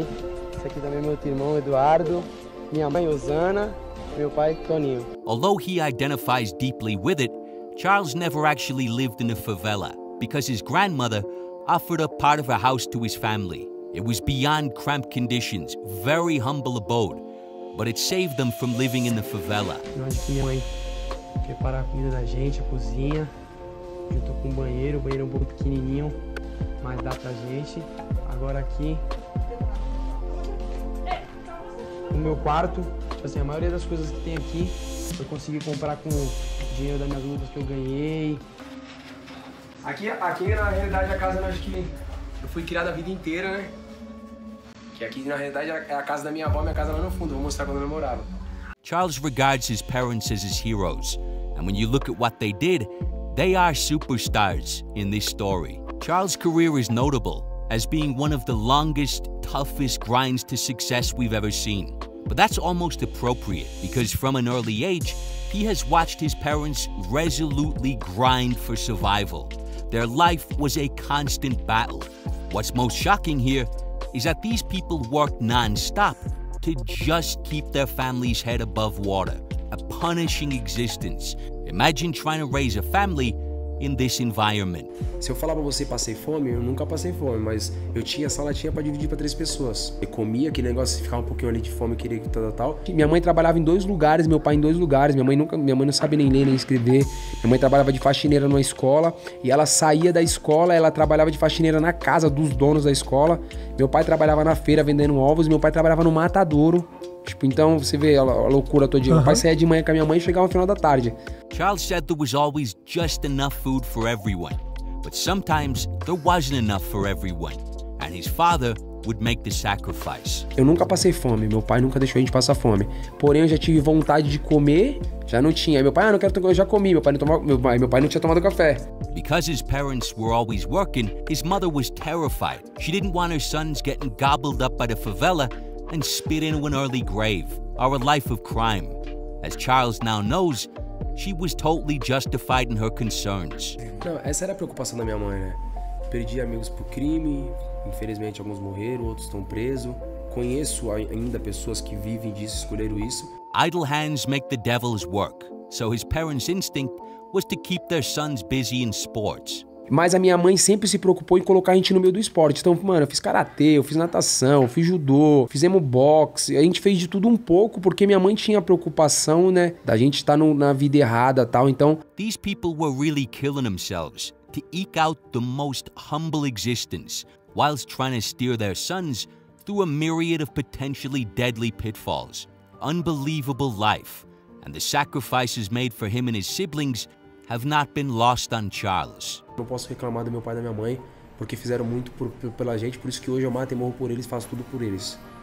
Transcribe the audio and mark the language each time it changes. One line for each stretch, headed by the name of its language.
Portuguese: Isso aqui também é meu irmão, Eduardo. Minha mãe, Osana. Meu pai, Toninho.
English: Although he identifies deeply with it, Charles never actually lived in a favela because his grandmother offered up part of her house to his family. It was beyond cramped conditions, very humble abode. But it saved them from living in the favela.
Portuguese: Onde minha mãe prepara a comida da gente, a cozinha, junto com o banheiro é um pouco pequenininho, mas dá pra gente. Agora aqui, o meu quarto, assim, a maioria das coisas que tem aqui, eu consegui comprar com o dinheiro das minhas lutas que eu ganhei. Aqui na realidade, a casa, acho que eu fui criado a vida inteira, né? Aqui, na realidade, é a casa da minha avó, minha casa lá no fundo. Vou mostrar quando eu morava.
English: Charles regards his parents as his heroes. And when you look at what they did, they are superstars in this story. Charles' career is notable as being one of the longest, toughest grinds to success we've ever seen. But that's almost appropriate because from an early age, he has watched his parents resolutely grind for survival. Their life was a constant battle. What's most shocking here is that these people worked non-stop to just keep their family's head above water, a punishing existence. Imagine trying to raise a family in this environment.
Portuguese: Se eu falar pra você passei fome, eu nunca passei fome, mas eu tinha sala, tinha pra dividir pra três pessoas. Eu comia, aquele negócio, ficava um pouquinho ali de fome, queria que tal, tal. Minha mãe trabalhava em dois lugares, meu pai em dois lugares. Minha mãe não sabe nem ler, nem escrever. Minha mãe trabalhava de faxineira numa escola, e ela saía da escola, ela trabalhava de faxineira na casa dos donos da escola. Meu pai trabalhava na feira vendendo ovos, meu pai trabalhava no matadouro. Tipo, então você vê a loucura todo dia. Meu pai saía de manhã com a minha mãe e chegava no final da tarde.
English: Charles said there was always just enough food for everyone. But sometimes, there wasn't enough for everyone. And his father would make the sacrifice.
Portuguese: Eu nunca passei fome, meu pai nunca deixou a gente passar fome. Porém, eu já tive vontade de comer, já não tinha. Aí meu pai, ah, não quero, eu já comi, meu pai não tinha tomado café.
English: Because his parents were always working, his mother was terrified. She didn't want her sons getting gobbled up by the favela and spit into an early grave, or a life of crime. As Charles now knows, she was totally justified in her concerns.
Portuguese: Não, essa era a preocupação da minha mãe, né? Perdi amigos pro crime, infelizmente alguns morreram, outros estão presos. Conheço ainda pessoas que vivem disso, escolheram isso.
English: Idle hands make the devil's work. So his parents' instinct was to keep their sons busy in sports.
Portuguese: Mas a minha mãe sempre se preocupou em colocar a gente no meio do esporte. Então, mano, eu fiz karatê, eu fiz natação, eu fiz judô, fizemos boxe. A gente fez de tudo um pouco porque minha mãe tinha a preocupação, né, da gente estar no, na vida errada, tal. Então,
English: these people were really killing themselves to eke out the most humble existence, whilst trying to steer their sons through a myriad of potentially deadly pitfalls. Unbelievable life, and the sacrifices made for him and his siblings have not been lost on Charles.
Portuguese: Não posso reclamar do meu pai e da minha mãe, porque fizeram muito pela gente, por isso que hoje eu mato e morro por eles, faço tudo por eles.